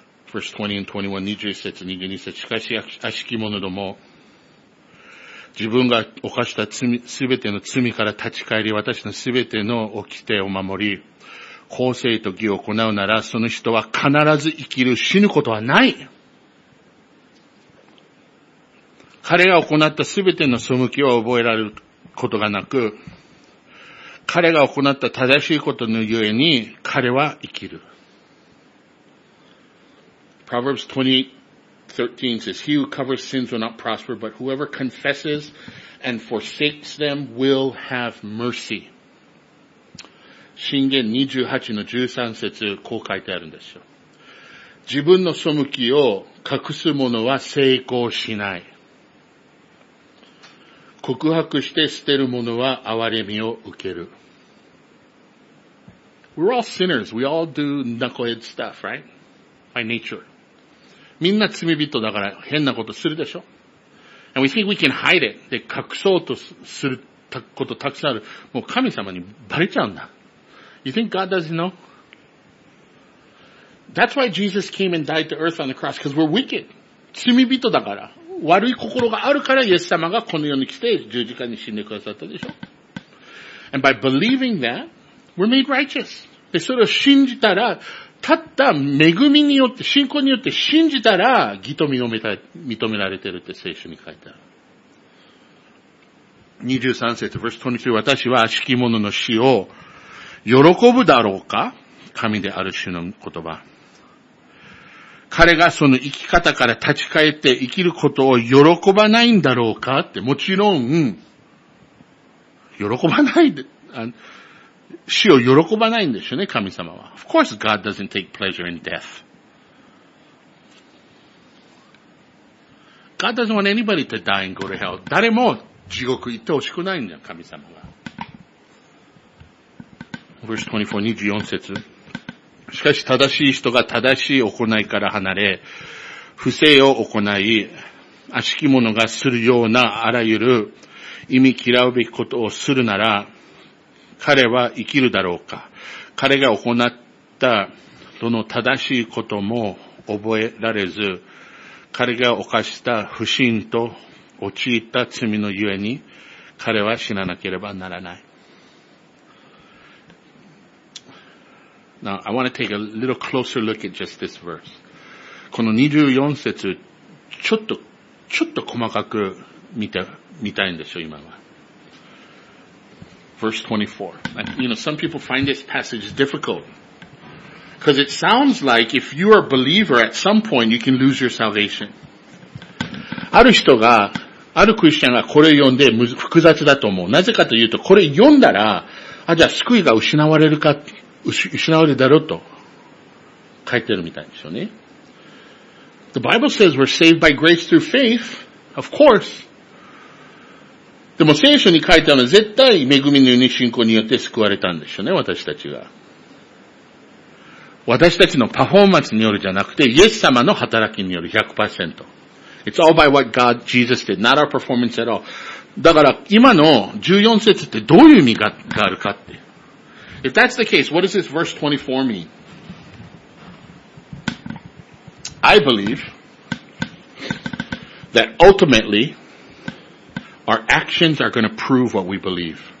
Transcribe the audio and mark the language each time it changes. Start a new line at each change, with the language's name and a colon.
English: Verse 20 and 21,
Japanese: 20節、22節、しかし、悪しき者ども、自分が犯した罪、すべての罪から立ち返り、私のすべての掟を守り、公正と義を行うなら、その人は必ず生きる、死ぬことはない。彼が行ったすべての背きを覚えられることがなく、彼が行った正しいことのゆえに、彼は生きる。
English: Proverbs 20:13 says, He who covers sins will not prosper, but whoever confesses and forsakes them will have mercy.
Japanese: 箴言28の13節、こう書いてあるんですよ。自分の背きを隠す者は成功しない。告白して捨てる者は憐れみを受ける。
English: We're all sinners. We all do knucklehead stuff, right? By nature.
Japanese: みんな罪人だから変なことするでしょ。
English: And we think we can hide it.
Japanese: で、隠そうとすることたくさんある。もう神様にバレちゃうんだ。
English: You think God doesn't know? That's why Jesus came and died to earth on the cross, because we're wicked.
Japanese: 罪人だから。悪い心があるから、イエス様がこの世に来て十字架に死んでくださったでしょ。
English: And by believing that, we're made righteous.
Japanese: で、それを信じたら、たった恵みによって、信仰によって信じたら、義と認められてるって聖書に書いてある。 23節、
English: verse 23、
Japanese: 私は悪しき者の死を喜ぶだろうか? 神である主の言葉。彼がその生き方から立ち返って生きることを喜ばないんだろうかって、もちろん、喜ばないで、死を喜ばないんですよね、神様は。
English: Of course, God doesn't take pleasure in death. God doesn't want anybody to die and go to hell.
Japanese: 誰も地獄行ってほしくないんだよ、神様は。
English: Verse 24、
Japanese: 24節。しかし、正しい人が正しい行いから離れ、不正を行い、悪しき者がするようなあらゆる忌み嫌うべきことをするなら、彼は生きるだろうか。彼が行ったどの正しいことも覚えられず、彼が犯した不信と陥った罪のゆえに、彼は死ななければならない。
English: Now, I want to take a little closer look at just this verse.
Japanese: この24節、ちょっと細かく見たいんでしょ、今は。
English: Verse 24. You know, some people find this passage difficult. Because it sounds like if you are a believer at some point, you can lose your salvation.
Japanese: ある人が、あるクリスチャンがこれを読んで複雑だと思う。なぜかというと、これ読んだら、あ、じゃあ救いが失われるか、失われるだろうと書いてるみたいですよね。
English: The Bible says we're saved by grace through faith. Of course.
Japanese: でも聖書に書いてあるのは絶対恵みのように信仰によって救われたんでしょうね、私たちが。私たちのパフォーマンスによるじゃなくて、イエス様の働きによる 100%。
English: It's all by what God, Jesus did, not our performance at all.
Japanese: だから今の14節ってどういう意味があるかって。
English: If that's the case, what does this verse 24 mean? I believe that ultimately,Our actions are going to prove what we believe.